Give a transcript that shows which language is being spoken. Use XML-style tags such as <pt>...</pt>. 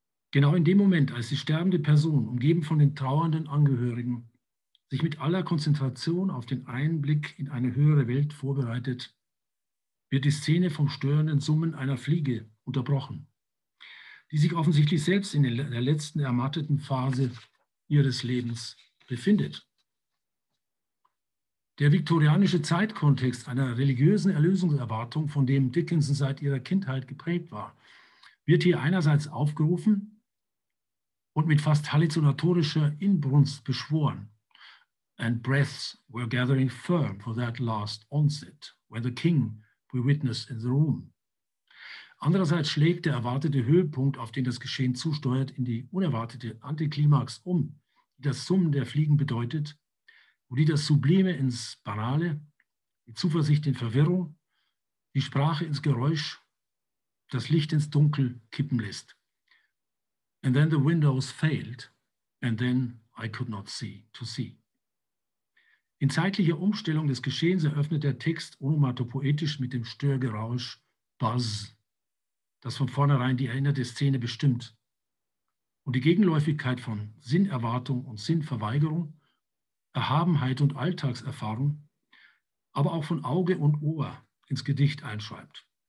<de>Genau in dem Moment, als die sterbende Person, umgeben von den trauernden Angehörigen, sich mit aller Konzentration auf den Einblick in eine höhere Welt vorbereitet, wird die Szene vom störenden Summen einer Fliege unterbrochen, die sich offensichtlich selbst in der letzten ermatteten Phase ihres Lebens befindet. Der viktorianische Zeitkontext einer religiösen Erlösungserwartung, von dem Dickinson seit ihrer Kindheit geprägt war, wird hier einerseits aufgerufen und mit fast halluzinatorischer Inbrunst beschworen.</de> <en>And breaths were gathering firm for that last onset, when the king we witnessed in the room.</en> <de>Andererseits schlägt der erwartete Höhepunkt, auf den das Geschehen zusteuert, in die unerwartete Antiklimax um, die das Summen der Fliegen bedeutet, wo die das Sublime ins Banale, die Zuversicht in Verwirrung, die Sprache ins Geräusch, das Licht ins Dunkel kippen lässt.</de> <en>And then the windows failed, and then I could not see to see.</en> <de>In zeitlicher Umstellung des Geschehens eröffnet der Text onomatopoetisch mit dem Störgerausch Buzz, das von vornherein die erinnerte Szene bestimmt. Und die Gegenläufigkeit von Sinnerwartung und Sinnverweigerung, Erhabenheit und Alltagserfahrung, aber auch von Auge und Ohr ins Gedicht einschreibt.</de>